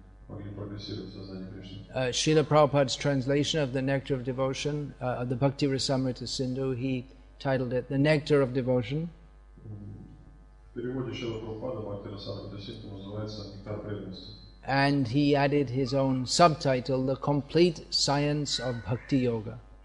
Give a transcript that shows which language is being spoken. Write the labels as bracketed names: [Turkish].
[English] Srila Prabhupada's translation of the Nectar of Devotion, the Bhakti Rasamrita Sindhu, he titled it The Nectar of Devotion. [Russian] В переводе Шрила Прабхупады Бхакти Расамрита Синдху называется «Нектар преданности». [English] And he added his own subtitle, The Complete Science of Bhakti Yoga.